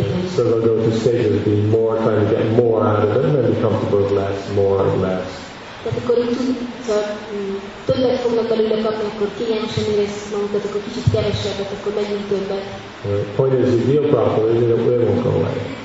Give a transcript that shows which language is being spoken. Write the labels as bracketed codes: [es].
[en] So they'll go to stages of being more, trying to get more out of it, and then be comfortable with less, more and less. [hu] Tehát akkor így többet fognak belőle kapni, akkor kényelmesen érezzük magukat, akkor kicsit kevesebbet, akkor megyünk többet. [en] Point is, you deal properly, it won't go away.